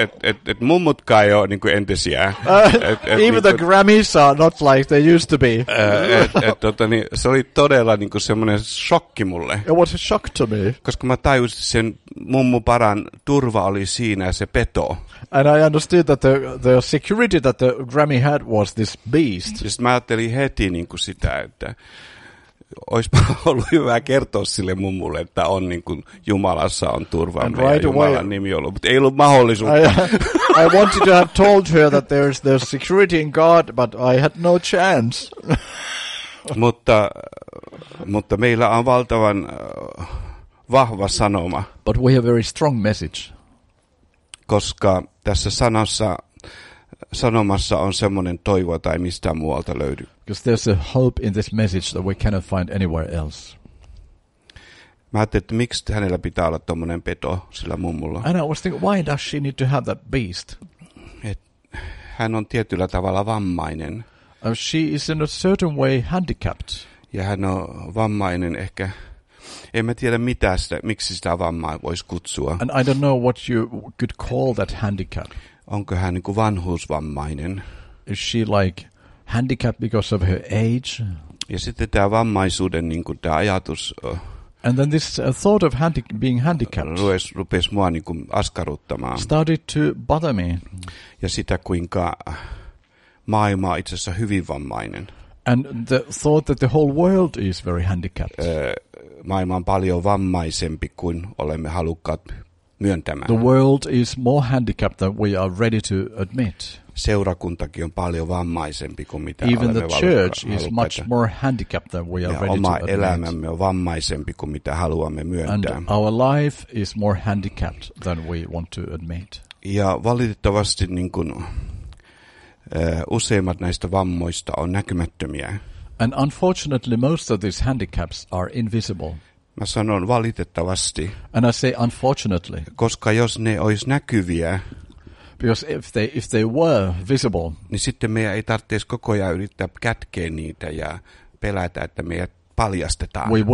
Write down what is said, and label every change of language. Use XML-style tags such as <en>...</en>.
<fi>Et mummutka ei ole niinku entisiä.</fi> <en>Even the Grammys are not like they used to be.</en> <fi>Se oli todella niinku semmoinen shokki mulle.</fi> <en>It was a shock to me.</en> <fi>Koska mä tajusin, sen mummu paran turva oli siinä, se peto.</fi> <en>And I understood that the security that the Grammy had was this beast.</en> <fi>Just mä ajattelin heti niinku sitä, että olisipa ollut hyvä kertoa sille mummulle, että on niinku Jumalassa on turvamme and ja right Jumalan away, nimi ollut, mutta ei ollut mahdollisuutta.</fi> <en>I wanted to have told her that there's security in God, but I had no chance.</en> <fi>Mutta meillä on valtavan vahva sanoma.</fi> <en>But we have a very strong message.</en> <fi>Koska tässä sanomassa on semmoinen toivo tai mistään muualta löydy.</fi> <en>Because there's a hope in this message that we cannot find anywhere else.</en> <fi>Mä ajattelin, että miksi hänellä pitää olla tommonen peto sillä mummulla.</fi> <en>And I was thinking, why does she need to have that beast?</en> <fi>Hän on tietyllä tavalla vammainen.</fi> <en>She is in a certain way handicapped.</en> <fi>Ja hän on vammainen ehkä. En mä tiedä mitä sitä, miksi sitä vammaa voisi kutsua.</fi> <en>And I don't know what you could call that handicap.</en> <fi>Onko hän niin kuin vanhuusvammainen?</fi> <en>Is she like handicapped because of her age?</en> <fi>Ja sitten tämä vammaisuuden niin kuin tämä ajatus.</fi> <en>And then this thought of being handicapped.</en> <fi>Rupesi mua niin kuin askarruttamaan.</fi> <en>Started to bother me.</en> <fi>Ja sitä kuinka maailma on itse asiassa hyvin vammainen.</fi> <en>And the thought that the whole world is very handicapped.</en> <fi>Maailma on paljon vammaisempi kuin olemme halukkaat myöntämään.</fi> <en>The world is more handicapped than we are ready to admit.</en> <fi>Seurakuntakin on paljon vammaisempi kuin mitä</fi> <en>even</en> <fi>olemme</fi> <en>the church is much more handicapped than we are</en> <fi>ja</fi> <en>ready to admit.</en> <fi>Oma elämämme on vammaisempi kuin mitä haluamme myöntää.</fi> <en>And our life is more handicapped than we want to admit.</en> <fi>Ja valitettavasti niin kuin useimmat näistä vammoista on näkymättömiä.</fi> <en>And unfortunately most of these handicaps are invisible.</en> <fi>Mä sanon valitettavasti.</fi> <en>And I say unfortunately.</en> <fi>Koska jos ne olisi näkyviä.</fi> <en>Because if they were visible.</en> <fi>Niin sitten meidän ei tarvitsisi koko ajan yrittää kätkeä niitä ja pelätä, että meidät paljastetaan.</fi>